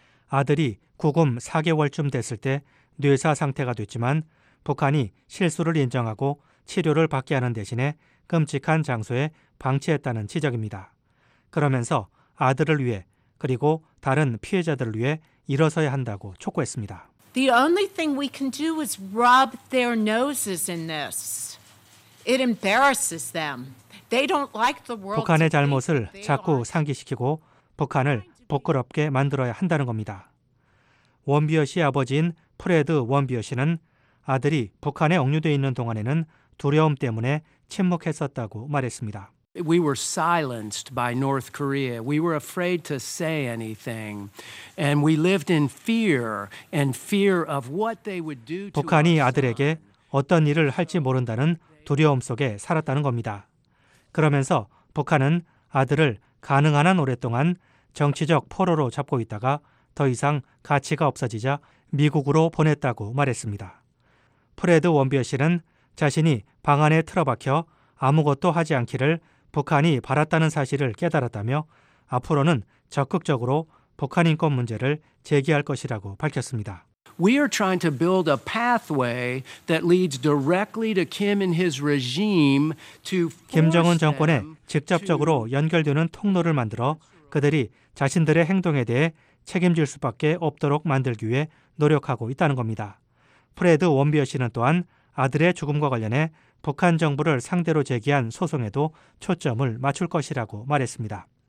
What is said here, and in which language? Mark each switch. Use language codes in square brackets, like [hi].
[ko] 아들이 구금 4개월쯤 됐을 때 뇌사 상태가 됐지만 북한이 실수를 인정하고 치료를 받게 하는 대신에 끔찍한 장소에 방치했다는 지적입니다. 그러면서 아들을 위해 그리고 다른 피해자들을 위해 일어서야 한다고 촉구했습니다. [en] The only thing we can do is rub their noses in this. It embarrasses them. They don't like the world. [ko] 북한의 잘못을 자꾸 상기시키고 북한을 부끄럽게 만들어야 한다는 겁니다. 원비어 씨 아버지인 프레드 원비어 씨는 아들이 북한에 억류돼 있는 동안에는 두려움 때문에 침묵했었다고 말했습니다. [en] We were silenced by North Korea. We were afraid to say anything. And we lived in fear and fear of what they would do to us. [ko] 북한이 아들에게 어떤 일을 할지 모른다는 두려움 속에 살았다는 겁니다. 그러면서 북한은 아들을 가능한 한 오랫동안 정치적 포로로 잡고 있다가 더 이상 가치가 없어지자 미국으로 보냈다고 말했습니다. 프레드 원비어 씨는 자신이 방 안에 틀어박혀 아무것도 하지 않기를 북한이 바랐다는 사실을 깨달았다며 앞으로는 적극적으로 북한 인권 문제를 제기할 것이라고 밝혔습니다. [en] We are trying to build a pathway that leads directly to Kim and his regime to [ko] 김정은 정권에 직접적으로 연결되는 통로를 만들어 그들이 자신들의 행동에 대해 책임질 수밖에 없도록 만들기 위해 노력하고 있다는 겁니다. 프레드 원비어 씨는 또한 아들의 죽음과 관련해 북한 정부를 상대로 제기한 소송에도 초점을 맞출 것이라고 말했습니다.